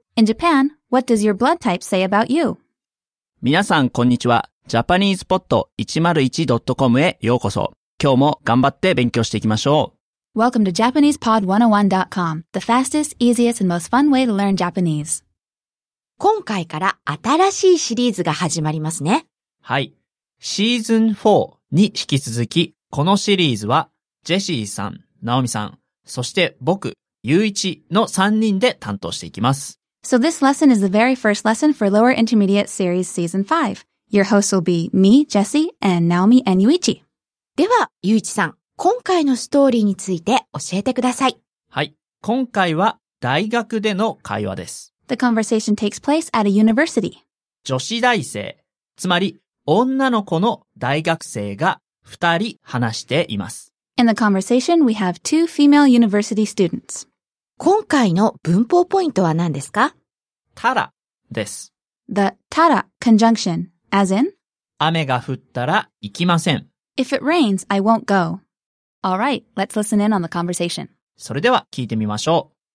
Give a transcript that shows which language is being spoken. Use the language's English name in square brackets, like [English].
[English] In Japan, what does your blood type say about you? [Japanese] 皆さん、こんにちは。JapanesePod101.com へようこそ。今日も頑張って勉強していきましょう。 [English] Welcome to JapanesePod101.com, the fastest, easiest, and most fun way to learn Japanese. [Japanese] 今回から新しいシリーズが始まりますね。はい。シーズン4に引き続き、このシリーズは、ジェシーさん、ナオミさん、そして僕、ユイチの3人で担当していきます。 [English] So this lesson is the very first lesson for Lower Intermediate Series Season 5. Your hosts will be me, Jessie, and Naomi and Yuichi. [Japanese] では、ユイチさん、今回のストーリーについて教えてください。はい、今回は大学での会話です。 [English] The conversation takes place at a university. [Japanese] 女子大生、つまり女の子の大学生が2人話しています。 [English] In the conversation, we have two female university students. [Japanese] 今回の文法ポイントは何ですか？ただです。 [English] The ただ conjunction, as in? [Japanese] 雨が降ったら行きません。 [English] If it rains, I won't go. Alright, let's listen in on the conversation. [Japanese] それでは聞いてみましょう。